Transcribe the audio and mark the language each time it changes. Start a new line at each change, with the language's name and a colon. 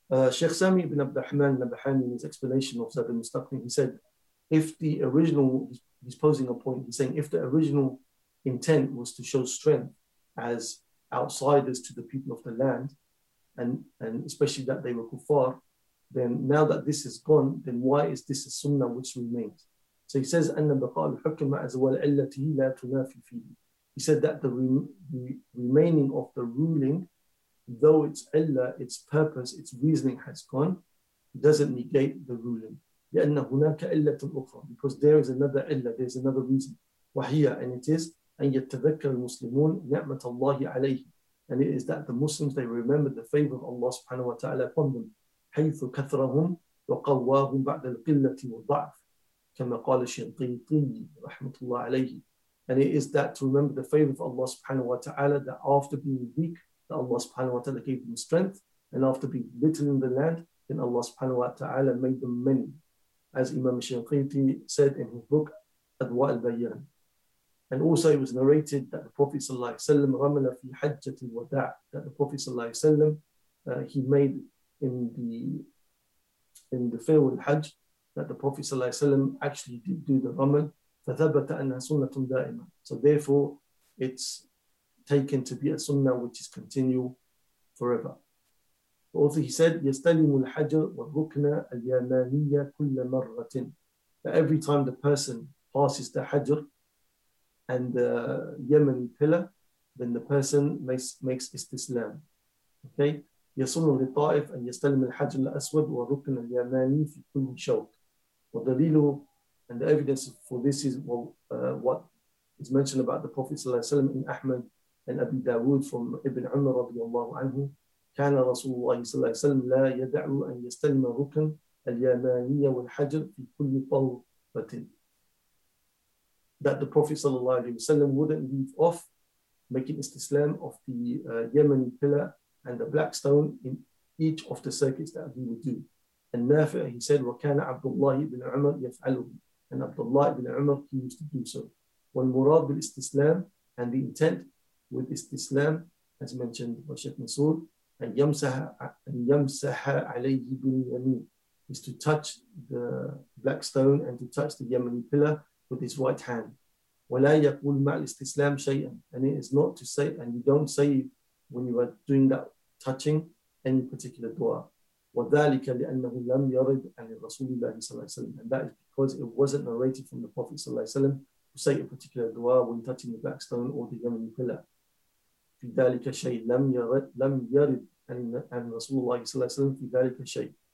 English: Sheikh Sami ibn Abd al-Rahman al-Nabahani in his explanation of Zad al-Mustaqim, he said, if the original, he's posing a point, he's saying, if the original intent was to show strength as outsiders to the people of the land, and especially that they were kuffar, then now that this is gone, then why is this a sunnah which remains?
Arabic: So he says, أن بقاء الحكم مع زوال علته لا تنافي فيه.
English: He said that the remaining of the ruling, though its illah, its purpose, its reasoning has gone, doesn't negate the ruling.
Arabic: لأن هناك علة أخرى.
English: Because there is another illah, there's another reason.
Arabic: وهي,
English: and it is,
Arabic: أن يتذكر المسلمون نعمة الله عليه.
English: And it is that the Muslims, they remember the favor of Allah subhanahu wa ta'ala upon them.
Arabic: حيث كثرهم وقواهم بعد القلة والضعف كما قال الشنقيطي رحمة الله عليه.
English: And it is that to remember the favor of Allah subhanahu wa ta'ala, that after being weak, that Allah subhanahu wa ta'ala gave them strength, and after being little in the land, then Allah subhanahu wa ta'ala made them many. As Imam Shinqiti said in his book, Adwa al-Bayyan. And also it was narrated that the Prophet sallallahu alayhi wa sallam
Arabic: ramala fi hajjat al-wada',
English: that the Prophet sallallahu alayhi wa sallam, he made in the farewell hajj, that the Prophet sallallahu alayhi wa sallam actually did do the ramal.
Arabic: فَثَبَتَ أَنَّهَا سُنَّةٌ دَائِمًا.
English: So therefore, it's taken to be a sunnah which is continual forever. Also he said,
Arabic: يَسْتَلِمُ الْحَجَرُ وَالْرُكْنَ الْيَمَانِيَّ كُلَّ مَرَّةٍ.
English: That every time the person passes the hajr and the Yemeni pillar, then the person makes istislam. Okay?
Arabic: يَسُنُّ لِلطَّائِفِ أَنْ يَسْتَلِمُ الْحَجَرُ الْأَسْوَدُ وَالْرُكْنَ الْيَمَانِيَّ فِي كُلِّ شَوْكٍ. وَدَلِيلُ
English: And the evidence for this is what is mentioned about the Prophet ﷺ in Ahmad and Abu Dawood from Ibn Umar radiallahu anhu.
Arabic: كان رسول الله صلى الله عليه وسلم لا يدع أن يستلم ركن اليمانية والحجر في كل طلبة.
English: That the Prophet ﷺ wouldn't leave off making istislam of the Yemeni pillar and the black stone in each of the circuits that he would do. And Nafi', he said,
Arabic: وكان عبد الله بن عمر يفعله.
English: And Abdullah ibn Umar, he used to do so.
Arabic: Wal murad bil istislam,
English: and the intent with istislam, as mentioned by Sheikh Masood,
Arabic: and yamsaha alayhi bin yamin,
English: is to touch the black stone and to touch the Yemeni pillar with his right hand.
Arabic: Wala yaqul ma'al istislam shay'an,
English: and it is not to say, and you don't say when you are doing that touching any particular dua.
Arabic: وذلك لأنه لم يرد عن الرسول صلى الله عليه وسلم.
English: And that is because it wasn't narrated from the Prophet صلى الله عليه وسلم to say a particular dua when touching the black stone or the Yemeni pillar.
Arabic: في ذلك شيء لم يرد عن رسول الله صلى الله عليه وسلم في ذلك شيء.